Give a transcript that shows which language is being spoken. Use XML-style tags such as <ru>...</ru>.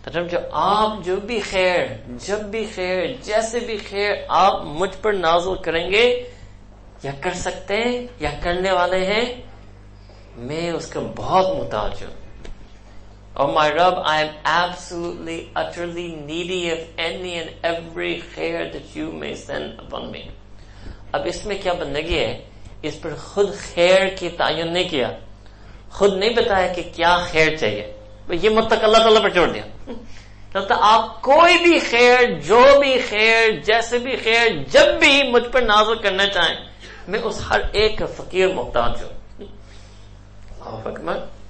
<ur>جو آپ جو بھی خیر, جب بھی خیر, جیسے بھی خیر آپ مجھ پر نازل کریں گے یا کر سکتے ہیں یا کرنے والے ہیں, میں اس کا بہت محتاج ہوں.</ur> <en>Oh my Rabb, I am absolutely, utterly needy of any and every خیر that you may send upon me.</en> <ur>اب اس میں کیا بندگی ہے, اس پر خود خیر کی تعین نہیں کیا, خود نہیں بتایا کہ کیا خیر چاہیے, یہ متق اللہ تعالیٰ پر چھوڑ دیا. آپ کوئی بھی خیر, جو بھی خیر, جیسے بھی خیر, جب بھی مجھ پر نازل کرنا چاہیں, میں اس ہر ایک فقیر محتاج ہوں. اللہ اکبر.</ur>